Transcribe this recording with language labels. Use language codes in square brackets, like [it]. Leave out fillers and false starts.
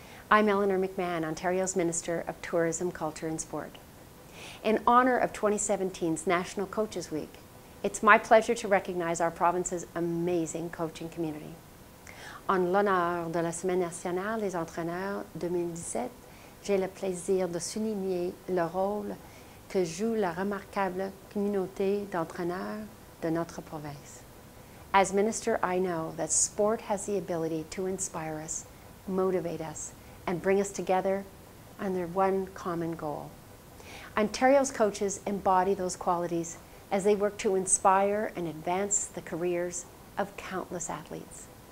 [en] I'm Eleanor McMahon, Ontario's Minister of Tourism, Culture and Sport. In honour of 2017's National Coaches Week, it's my pleasure to recognize our province's amazing coaching community. [fr] En l'honneur de la Semaine nationale des entraîneurs 2017, j'ai le plaisir de souligner le rôle que joue la remarquable communauté d'entraîneurs de notre province. [en] As Minister, I know that sport has the ability to inspire us, motivate us, and bring us together under one common goal. Ontario's coaches embody those qualities as they work to inspire and advance the careers of countless athletes.